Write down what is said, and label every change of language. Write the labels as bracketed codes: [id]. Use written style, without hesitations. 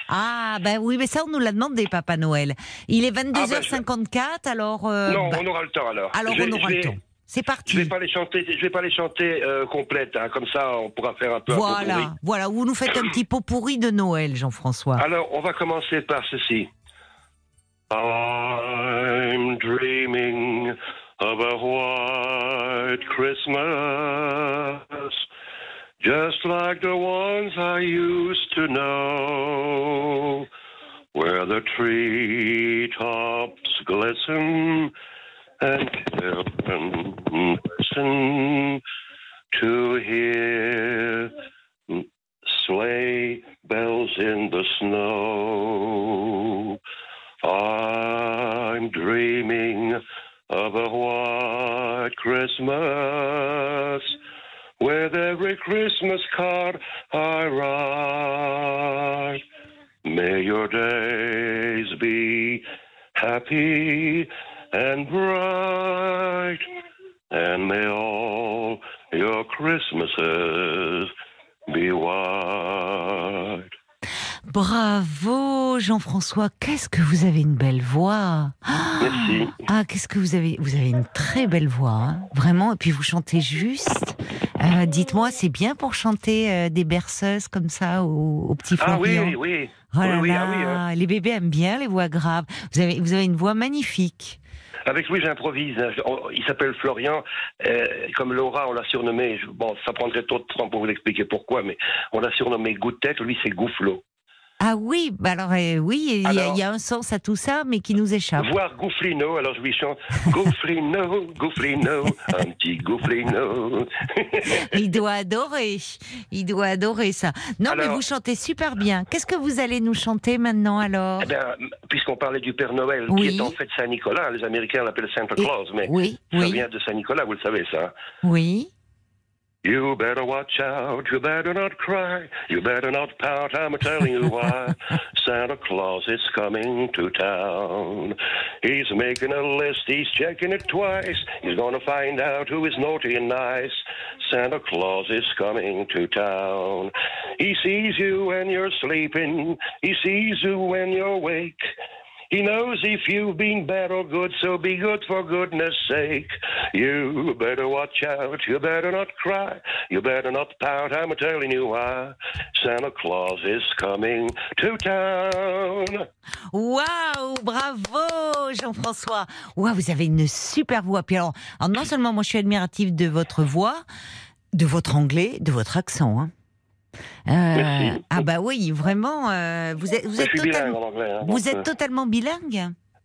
[fr] Ah, ben oui, mais ça, on nous l'a demandé, Papa Noël. Il est 22h54, alors... Non, on aura le temps, alors. Alors, on aura le temps. C'est parti. Je vais pas les chanter complètes, hein, comme ça, on pourra faire un peu voilà. Un potpourri. Voilà, vous nous faites un petit potpourri de Noël, Jean-François. Alors, on va commencer par ceci. [en] I'm dreaming... of a white Christmas, just like the ones I used to know, where the treetops glisten and children listen to hear sleigh bells in the snow. I'm dreaming of a white Christmas, with every Christmas card I write, may your days be happy and bright, and may all your Christmases be white. [fr] Bravo, Jean-François. Qu'est-ce que vous avez une belle voix. Merci. Ah, qu'est-ce que vous avez. Vous avez une très belle voix, hein. Vraiment. Et puis vous chantez juste. Dites-moi, c'est bien pour chanter des berceuses comme ça au petit Florian. Ah oui. Oh là là. Les bébés aiment bien les voix graves. Vous avez une voix magnifique. Avec lui, j'improvise. Il s'appelle Florian. Comme Laura, on l'a surnommé. Bon, ça prendrait trop de temps pour vous expliquer pourquoi, mais on l'a surnommé Gouttette. Lui, c'est Goufflot. Ah oui, bah alors oui, il y a un sens à tout ça, mais qui nous échappe. Voir Gufflino, alors je lui chante Gufflino, Gufflino, un petit Gufflino. Il doit adorer ça. Non, alors, mais vous chantez super bien. Qu'est-ce que vous allez nous chanter maintenant, alors? Eh bien, puisqu'on parlait du Père Noël, oui, qui est en fait Saint-Nicolas, les Américains l'appellent Santa Claus, mais oui, ça oui, vient de Saint-Nicolas, vous le savez, ça. Oui. [en] You better watch out, you better not cry, you better not pout, I'm telling you why. Santa Claus is coming to town. He's making a list, he's checking it twice, he's gonna find out who is naughty and nice. Santa Claus is coming to town. He sees you when you're sleeping, he sees you when you're awake. He knows if you've been bad or good, so be good for goodness sake. You better watch out, you better not cry, you better not pout, I'm telling you why. Santa Claus is coming to town. [fr] Wow, bravo Jean-François. Wow, vous avez une super voix. Puis alors, non seulement moi je suis admirative de votre voix, de votre anglais, de votre accent, hein. Ah bah oui, vraiment, vous êtes totalement bilingue ?